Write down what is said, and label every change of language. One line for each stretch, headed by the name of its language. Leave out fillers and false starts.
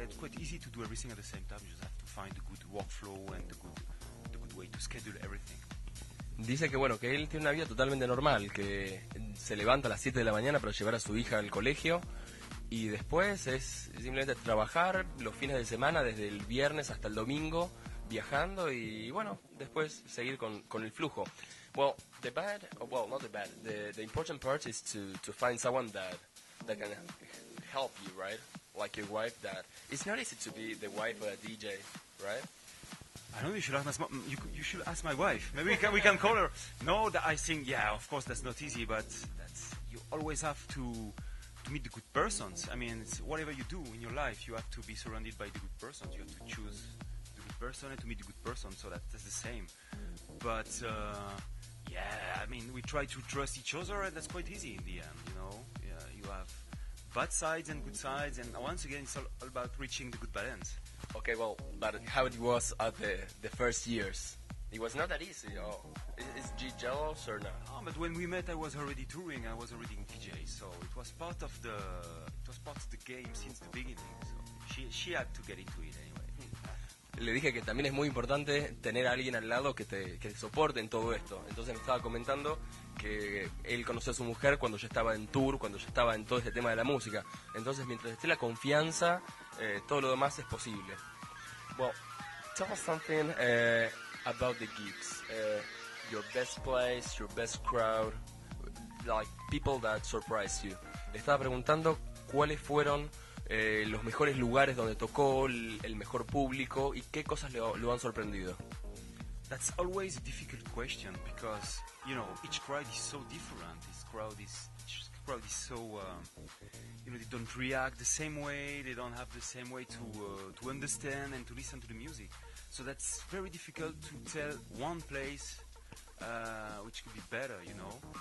English: It's quite easy to do everything at the same time. You just have to find a good workflow and a good way to schedule everything.
Spanish: Dice que bueno, que él tiene una vida totalmente normal, que se levanta a las 7 de la mañana para llevar a su hija al colegio y después es simplemente trabajar los fines de semana desde el viernes hasta el domingo viajando y bueno, después seguir con el flujo.
English: Well, the bad, well, not the bad. The important part is to find someone that can help you, right? Like your wife. That it's not easy to be the wife of a DJ, right? I don't know, you should ask my wife. Maybe we can call her. No, that I think, yeah, of course that's not easy, but that's, you always have to meet the good persons. I mean, it's whatever you do in your life, you have to be surrounded by the good persons. You have to choose the good person and to meet the good person, so that's the same. But, yeah, I mean, we try to trust each other, and that's quite easy in the end, you know? Yeah, you have bad sides and good sides, and once again, it's all about reaching the good balance. Okay, well, but how it was at the first years? It was not that easy. Oh, is G jealous or not? No, but when we met, I was already touring. I was already in DJ, so it was part of the game since the beginning. So she had to get into it anyway.
Spanish: Le dije que también es muy importante tener a alguien al lado que te soporte en todo esto. Entonces me estaba comentando que él conoció a su mujer cuando ya estaba en tour, cuando ya estaba en todo este tema de la música. Entonces, mientras esté la confianza, todo lo demás es posible.
English: Well, tell us something about the gigs. Your best place, your best crowd, like people that surprised you.
Spanish: Le estaba preguntando cuáles fueron los mejores lugares donde tocó, el mejor público y qué cosas lo han sorprendido.
English: That's always a difficult question because, you know, each crowd is so different. Each crowd is so, they don't react the same way, they don't have the same way to understand and to listen to the music. So that's very difficult to tell one place which could be better, you know.